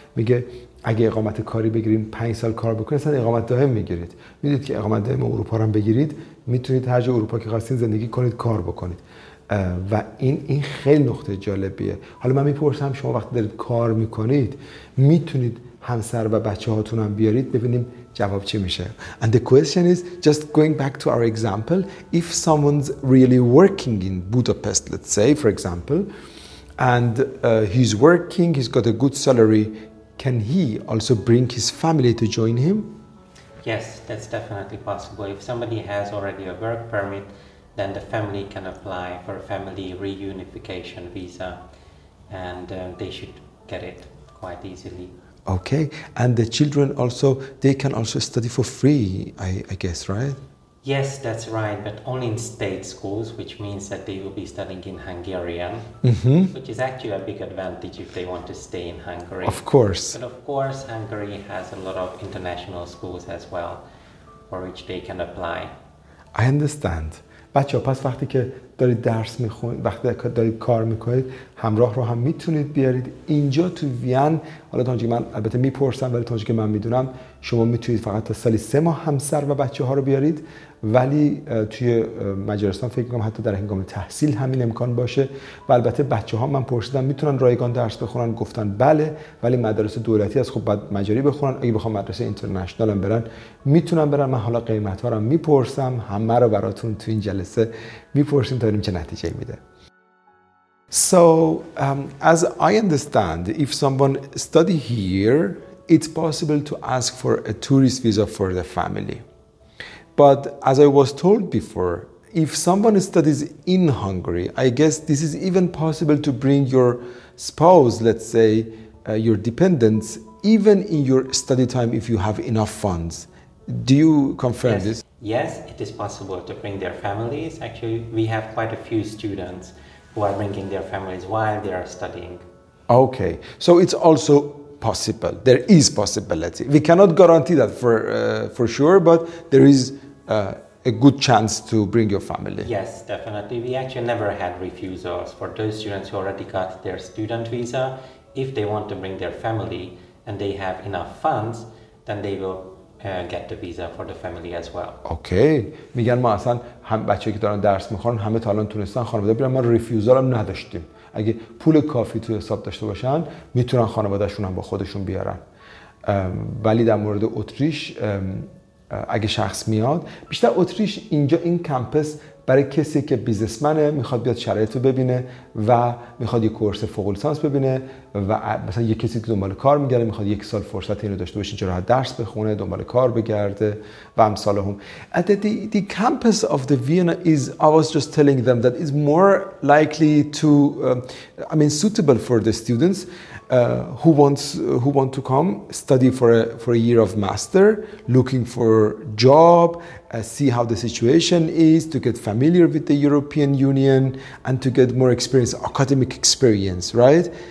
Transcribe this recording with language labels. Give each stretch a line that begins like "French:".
Persian: میگه اگه اقامت کاری بگیریم 5 سال کار بکنید، اصلا اقامت دائم میگیرید. میدونید که اقامت دائم اروپا رو هم بگیرید، میتونید هر جا اروپا که خواستین زندگی کنید، کار بکنید. و این خیلی نقطه جالبیه. حالا من میپرسم شما وقتی دارید کار میکنید میتونید همسر و بچه هاتون هم بیارید ببینیم جواب چی میشه.
English: And the question is, just going back to our example, if someone's really working in Budapest, let's say, for example, and he's working, he's got a good salary, can he also bring his family to join him? Yes, that's definitely possible. If somebody has already a work permit, then the family can apply for a family reunification visa, and they should get it quite easily. Okay, and the children also, they can also study for free, I guess, right? Yes, that's right, but only in state schools, which means that they will be studying in Hungarian, which is actually a big advantage if they want to stay in Hungary. Of course. But of course, Hungary has a lot of international schools as well, for which they can apply. I understand.
Persian: بچه ها پس وقتی که دارید درس میخونید، وقتی که دارید کار میکنید، همراه رو هم میتونید بیارید اینجا تو وین. حالا تا اونجا که من البته میپرسم، ولی تا اونجا که من میدونم شما میتونید فقط تا سالی 3 ماه همسر و بچه ها رو بیارید، ولی توی مجارستان فکر میکنم حتی در هنگام تحصیل همین امکان باشه. و البته بچه ها من پرسیدم میتونن رایگان درس بخونن، گفتن بله، ولی مدارس دولتی از خب باید مجاری بخونن. اگه بخوام مدرسه اینترنشنال هم برن میتونن برن. من حالا قیمت ها رو میپرسم، همه رو براتون تو این جلسه میپرسیم تا ببینیم چه نتیجه میده.
English: So as I understand, if someone study here, it's possible to ask for a tourist visa for the family. But as I was told before, if someone studies in Hungary, I guess this is even possible to bring your spouse, let's say, your dependents, even in your study time if you have enough funds. Do you confirm yes. this? Yes, it is possible to bring their families. Actually, we have quite a few students who are bringing their families while they are studying. Okay, so it's also possible. There is possibility. We cannot guarantee that for sure, but there is a good chance to bring your family. Yes, definitely. We actually never had refusals for those students who already got their student visa. If they want to bring their family and they have enough funds, then they will get the visa for the family as well. Okay.
Persian: میگن ما اصلا هم بچه‌ای که دارن درس می‌خونن همه تا الان تونستن خانواده بیارن، ما ریفیوزال هم نداشتیم. اگه پول کافی تو حساب داشته باشن میتونن خانوادهشون هم با خودشون بیارن. ولی در مورد اتریش اگه شخص میاد، بیشتر اتریش اینجا این کمپس برای کسی که بیزنسمنه، میخواد بیاد شرایط رو ببینه و میخواد یک کورس فوق لیسانس ببینه و مثلا یک کسی که دنبال کار میگرده میخواد یک سال فرصت اینو داشته باشه، چرا درس بخونه، دنبال کار بگرده و امثال هم.
English: The campus of the Vienna is, I was just telling them that is more likely to, suitable for the students who want to come study for a year of master, looking for job, see how the situation is, to get familiar with the European Union and to get more experience, academic experience, right?